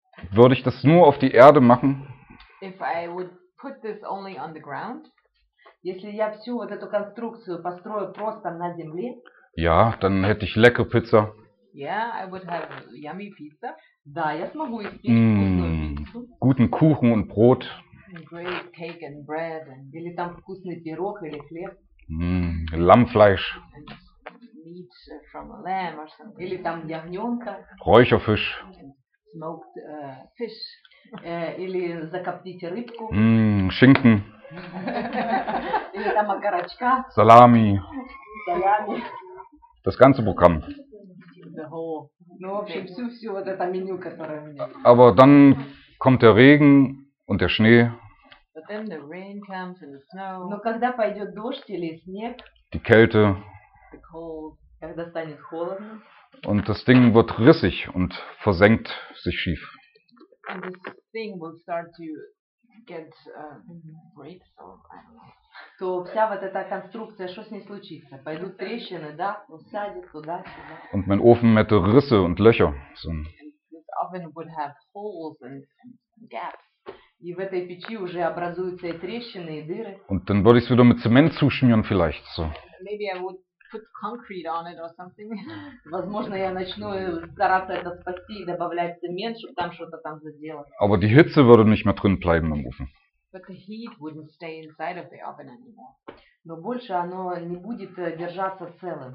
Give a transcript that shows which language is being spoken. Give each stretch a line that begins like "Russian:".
German: würde ich das nur auf die Erde machen?
English: If I would put this only on the ground?
Russian: Если я всю вот эту конструкцию построю просто на земле?
German: Ja, dann hätte ich leckere Pizza.
English: Yeah, I would have yummy pizza.
Russian: Да, я смогу испечь
German: guten Kuchen und Brot.
English: Great cake and bread.
Russian: Или там вкусный пирог или хлеб.
German: Lammfleisch.
English: Meat from a lamb or something.
Russian: Или там ягненка.
German: Räucherfisch.
English: Smoked fish.
Russian: Или закоптите рыбку.
German: Schinken.
Russian: Или там окорочка.
German: Salami.
English: Salami.
German: Das ganze Programm.
English: The whole.
Russian: Ну, в общем, всю вот это меню, которое у меня.
German: Aber dann kommt der Regen. Und der Schnee.
English: But then the rain comes and the snow.
Russian: Но когда пойдет дождь или снег.
German: Die Kälte.
English: The cold.
Russian: Когда станет холодно.
German: Und das Ding wird rissig und versenkt sich schief.
English: And this thing will start to get break. So I don't know.
Russian: То вся вот эта конструкция, что с ней случится? Пойдут трещины, да? Усадят туда-сюда.
German: Und mein Ofen hätte Risse und Löcher. So.
English: And this oven would have holes and gaps.
Russian: И в этой печи уже образуются и трещины, и дыры.
German: Und dann würde ich es wieder mit Zement zuschmieren vielleicht so.
English: Maybe I would put concrete on it or something.
Russian: Возможно, я начну стараться это спасти и добавлять цемент, чтобы там что-то там заделать.
German: Aber die Hitze würde nicht mehr drin bleiben im Ofen.
English: But the heat wouldn't stay inside of the oven anymore.
Russian: Но больше оно не будет держаться целым.